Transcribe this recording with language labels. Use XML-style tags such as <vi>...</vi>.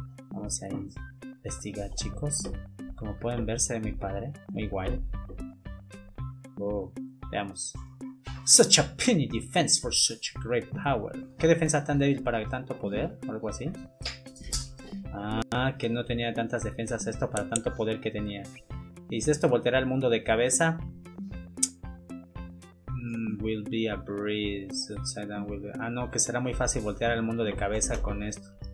<es>Vamos a investigar, chicos. Como pueden ver, se ve mi padre. Muy guay. Veamos.</es> <en>Such a penny defense for such great power.</en> <es>¿Qué defensa tan débil para tanto poder? ¿O algo así? Ah, que no tenía tantas defensas esto para tanto poder que tenía. ¿Y si esto volteará el mundo de cabeza?</es> <en>Will be a breeze. Upside down will be...</en> <es>Ah, no, que será muy fácil voltear el mundo de cabeza con esto.</es>